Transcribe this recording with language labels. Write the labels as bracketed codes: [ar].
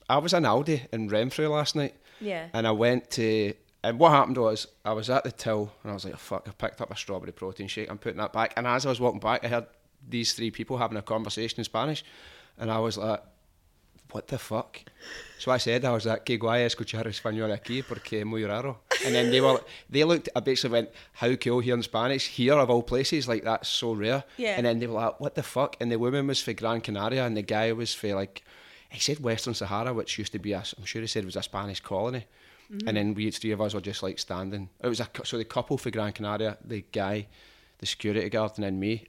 [en] I was in Aldi in Renfrew last night. Yeah. And I went to, and what happened was, I was at the till and I was like, oh, fuck, I picked up a strawberry protein shake, I'm putting that back. And as I was walking back, I heard these three people having a conversation in Spanish. And I was like, what the fuck? So I said, I was like, [es] que guay escuchar español aquí porque muy raro. [en] And then I basically went, how cool here in Spanish, here of all places, like that's so rare. Yeah. And then they were like, what the fuck? And the woman was for Gran Canaria and the guy was for like, he said Western Sahara, which used to be, I'm sure he said it was a Spanish colony. Mm-hmm. And then we, three of us, were just like standing. It was the couple for Gran Canaria, the guy, the security guard, and then me.